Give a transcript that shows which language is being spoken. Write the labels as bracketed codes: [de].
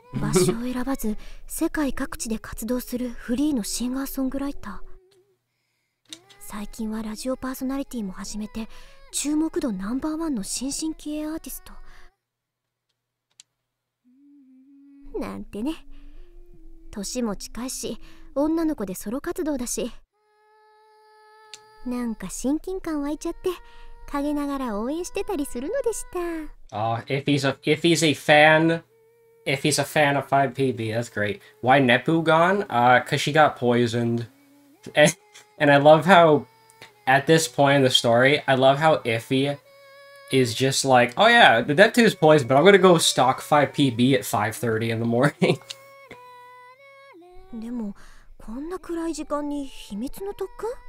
[ja] 場所を選ばず世界各地で活動するフリーのシンガーソングライター最近はラジオパーソナリティも始めて注目度ナンバーワンの新進気鋭アーティストなんてね年も近いし女の子でソロ活動だしなんか親近感湧いちゃって陰ながら応援してたりするのでした [en] If he's a fan of 5PB, that's great. Why Nepu gone? Because she got poisoned. And I love how, at this point in the story, I love how Iffy is just like, oh yeah, the Neptune is poisoned, but I'm going to go stalk 5PB at 5:30 in the morning. [ja] でも、こんな暗い時間に秘密の特訓?